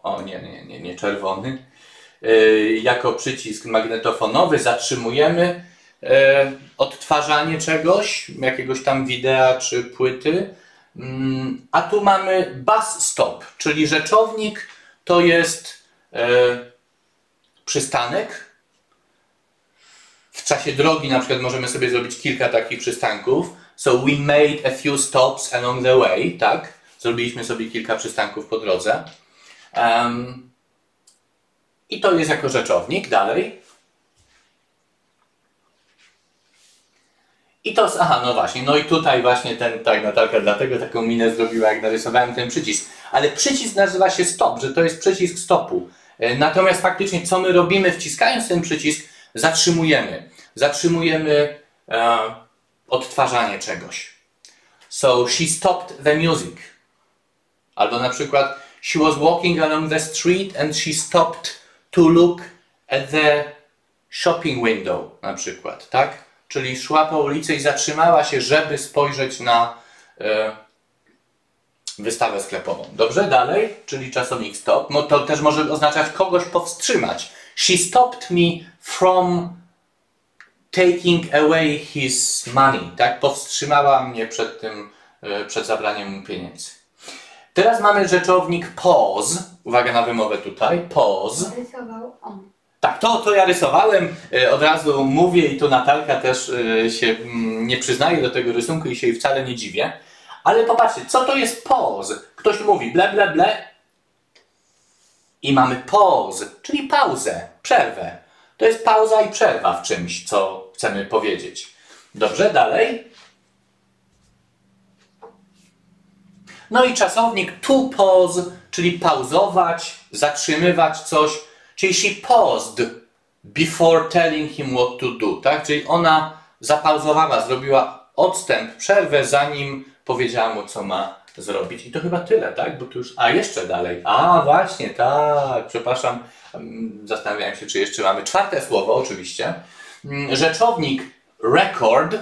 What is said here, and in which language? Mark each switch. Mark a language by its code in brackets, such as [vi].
[pl] O nie czerwony. Jako przycisk magnetofonowy zatrzymujemy odtwarzanie czegoś, jakiegoś tam wideo czy płyty. A tu mamy bus stop, czyli rzeczownik to jest przystanek. W czasie drogi na przykład możemy sobie zrobić kilka takich przystanków. [en] So we made a few stops along the way, [pl] tak? Zrobiliśmy sobie kilka przystanków po drodze. I to jest jako rzeczownik. Dalej. I to... Aha, no właśnie. No i tutaj właśnie ten... Tak, Natalka, dlatego taką minę zrobiła, jak narysowałem ten przycisk. Ale przycisk nazywa się stop, że to jest przycisk stopu. Natomiast faktycznie, co my robimy, wciskając ten przycisk, zatrzymujemy. Zatrzymujemy odtwarzanie czegoś. [en] So, she stopped the music. [pl] Albo na przykład, [en] she was walking along the street and she stopped to look at the shopping window, [pl] na przykład, tak? Czyli szła po ulicy i zatrzymała się, żeby spojrzeć na wystawę sklepową. Dobrze, dalej, czyli czasownik stop. No, to też może oznaczać kogoś powstrzymać. [en] She stopped me from taking away his money, [pl] tak? Powstrzymała mnie przed tym, przed zabraniem mu pieniędzy. Teraz mamy rzeczownik pause. Uwaga na wymowę tutaj. Pause. Rysował on. Tak, to ja rysowałem. Od razu mówię i to Natalka też się nie przyznaje do tego rysunku i się jej wcale nie dziwię. Ale popatrzcie, co to jest pause? Ktoś mówi ble, ble, ble. I mamy pause, czyli pauzę, przerwę. To jest pauza i przerwa w czymś, co chcemy powiedzieć. Dobrze, dalej. No i czasownik to pause, czyli pauzować, zatrzymywać coś. Czyli [en] she paused before telling him what to do. [pl] Tak? Czyli ona zapauzowała, zrobiła odstęp, przerwę, zanim powiedziała mu, co ma zrobić. I to chyba tyle, tak? Bo tu już... A, jeszcze dalej. A, właśnie, tak. Przepraszam. Zastanawiałem się, czy jeszcze mamy czwarte słowo, oczywiście. Rzeczownik record.